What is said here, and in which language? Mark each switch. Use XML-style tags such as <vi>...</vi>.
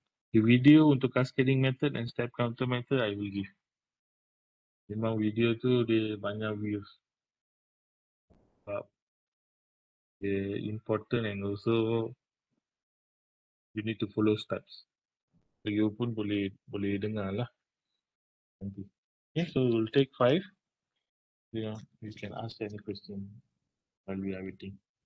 <en>The video</en> <ms>untuk</ms> <en>cascading method and step counter method I will give.</en> <ms>Memang video tu dia banyak views. Dia</ms> <en>important and also you need to follow steps.</en> <ms>So you pun boleh dengar lah.</ms> <en>Nanti. Okay, so we'll take 5. Yeah, you can ask any question while we are waiting.</en>